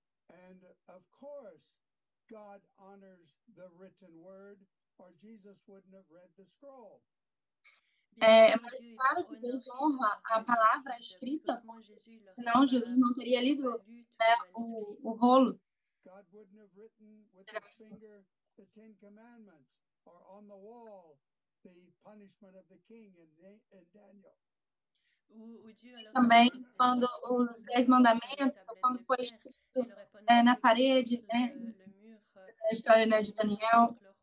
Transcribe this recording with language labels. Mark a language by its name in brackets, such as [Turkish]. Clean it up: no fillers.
[English] And of course, God honors the written word, or Jesus wouldn't have read the scroll. [Portuguese] Mas claro que Deus honra a palavra escrita, senão Jesus não teria lido, né, o rolo. [English] God wouldn't have written with his finger the Ten Commandments, or on the wall, the punishment of the king in Daniel. [Portuguese] Também quando os 10 mandamentos, quando foi escrito na parede, né, a história, né, de Daniel.